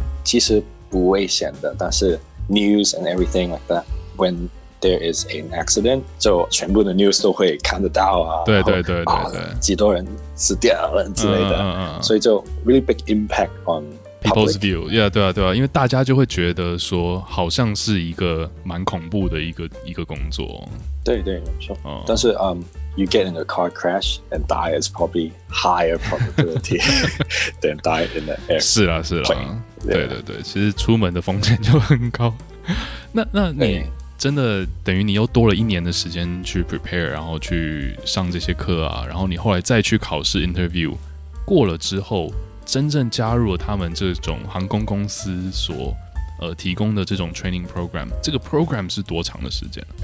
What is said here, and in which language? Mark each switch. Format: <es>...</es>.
<zh>其实不危险的，但是</zh> <en>news and everything like that， when there is an accident，</en> <zh>就全部的 news 都会看得到啊。对对对对对，啊，几多人死掉了之类的，所以就</zh> <en>really big impact on people's view。</en> <zh>yeah， 对啊对啊，因为大家就会觉得说好像是一个蛮恐怖的一个工作。对对，但是</zh> <en>you get in a car crash and die is probably higher probability than die in the air。</en> <zh>是啦是啦，对对对，其实出门的风险就很高。那你真的等于你又多了一年的时间去 prepare， 然后去上这些课啊，然后你后来再去考试 interview 过了之后，真正加入了他们这种航空公司所提供的这种</zh> <en>training program，</en> <zh>这个 program 是多长的时间？</zh>